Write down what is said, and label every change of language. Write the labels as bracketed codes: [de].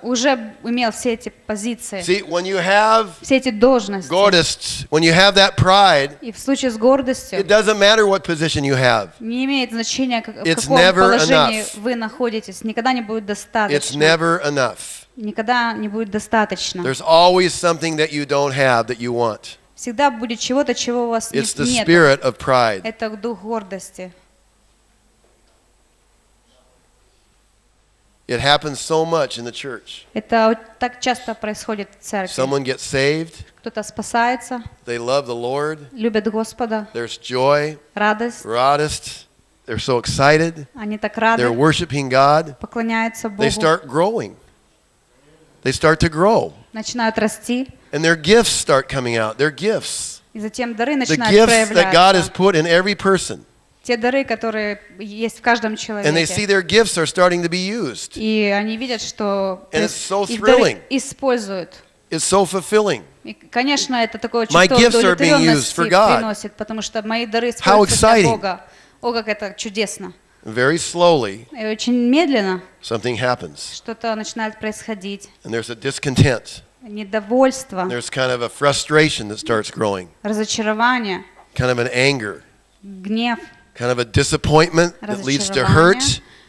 [ru] Уже имел все эти позиции. [en] See, when you have [ru] все эти должности. [en] Gordists, when you have that pride. [ru] И в случае с гордостью. [en] It doesn't matter what position you have. [ru] Не имеет значения, как, в каком положении enough. Вы находитесь. Никогда не будет достаточно. [en] It's never enough. [ru] Никогда не будет достаточно. [en] There's always something that you don't have that you want. [ru] Всегда будет чего-то, чего у вас нет. [en] It's the spirit of pride. [ru] Это дух гордости. [en] It happens so much in the church. [ru] Это так часто происходит в церкви. [en] Someone gets saved. [ru] Кто-то спасается. [en] They love the Lord. [ru] Любят Господа. [en] There's joy. [ru] Радость. [en] Radost. They're so excited. [ru] Они так рады. [en] They're worshiping God. [ru] Поклоняются Богу. [en] They start growing. They start to grow. [ru] Начинают расти. [en] And their gifts start coming out. Their gifts. [ru] И затем дары начинают проявляться. [en] The gifts that God has put in every person. [ru] Те дары, которые есть в каждом человеке. [en] And they see their gifts are starting to be used. [ru] И они видят, что [en] and it's so thrilling. [ru] Используют. [en] It's so fulfilling. [ru] И, конечно, это такое чувство удовлетворенности приносит, потому что мои дары используются для Бога. О, как это чудесно. [en] Very slowly, [ru] и очень медленно [en] something happens. [ru] Что-то начинает происходить. [en] And there's a discontent. [ru] Недовольство. [en] There's kind of a frustration that starts growing. [ru] Разочарование. [en] Kind of an anger. [ru] Гнев. [en] Kind of a disappointment that leads to hurt.